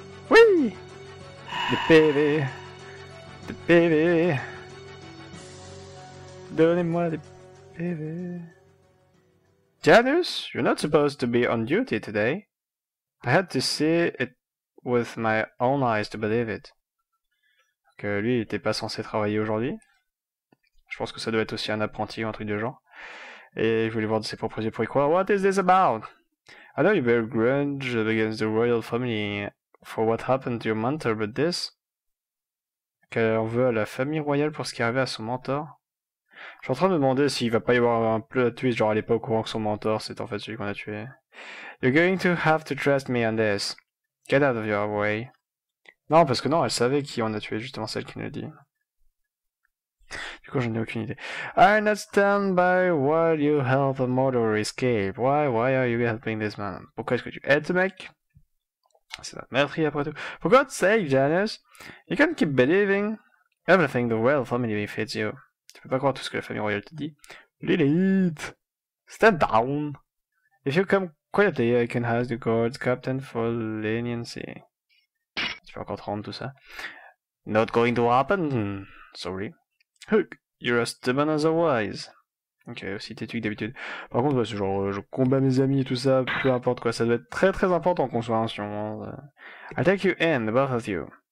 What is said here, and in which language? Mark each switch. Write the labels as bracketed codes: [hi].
[fr] Oui! Des PV. Donnez-moi des PV. [en] Janus, you're not supposed to be on duty today. I had to see it with my own eyes to believe it. [fr] Que lui, il était pas censé travailler aujourd'hui. Je pense que ça doit être aussi un apprenti ou un truc de genre. Et je voulais voir de ses propres yeux pour y croire. [en] What is this about? I know you bear grudge against the royal family for what happened to your mentor, but this... [fr] Qu'on veut à la famille royale pour ce qui est arrivé à son mentor. Je suis en train de me demander s'il va pas y avoir un plot twist, genre elle est pas au courant que son mentor c'est en fait celui qu'on a tué. [en] You're going to have to trust me on this. Get out of your way. [fr] Non, parce que non, elle savait qui on a tué, justement celle qui nous dit. Du coup, j'en ai aucune idée. [en] I'll not stand by while you help a murderer escape. Why are you helping this man? [fr] Pourquoi est-ce que tu aides ce mec? C'est notre meurtrier après tout. [en] For God's sake, Janus, you can't keep believing everything the royal family feeds you. [fr] Tu peux pas croire tout ce que la famille royale te dit. [en] Lilith, stand down. If you come quietly, I can ask the guards captain for leniency. [fr] Tu peux encore te rendre tout ça. [en] Not going to happen. Sorry. Hook, you're as stubborn as a wise. Ok, [fr] aussi têtu que d'habitude. Par contre, ouais, c'est genre, je combats mes amis et tout ça, peu importe quoi, ça doit être très très important qu'on soit ancien. [en] Hein, I'll take you in, the both of you.